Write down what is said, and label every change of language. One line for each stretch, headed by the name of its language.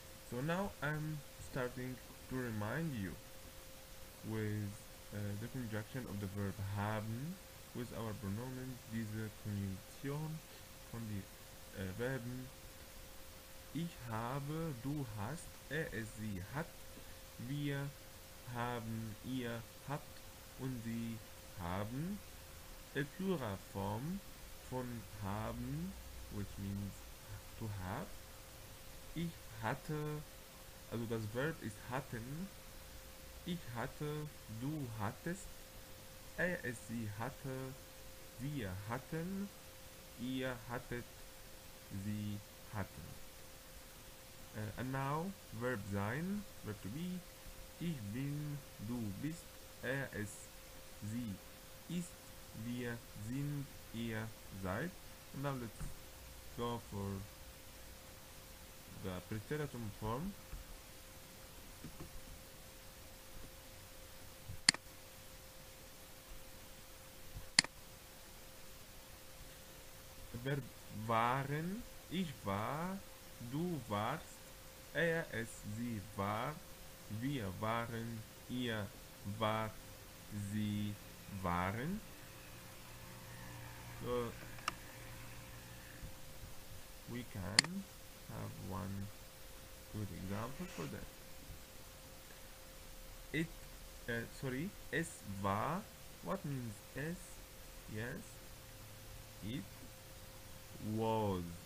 English: So now I'm starting to remind you with the conjunction of the verb haben with our
German: pronomen diese Konjunktion von den Verben ich habe, du hast, es, sie hat, wir haben, ihr habt und sie haben.
English: A plural form von haben, which means to have.
German: Ich hatte, also das Verb ist hatten. Ich hatte, du hattest, es, sie hatte, wir hatten, ihr hattet, sie hatten.
English: And now, verb sein, verb to be.
German: Ich bin, du bist, es, sie ist, wir sind, ihr seid.
English: And now let's go for the preteritum form.
German: Verb waren, ich war, du warst, es, sie war, wir waren, ihr war, sie waren.
English: So, we can have one good example for that.
German: Es war,
English: what means es? Yes, it was.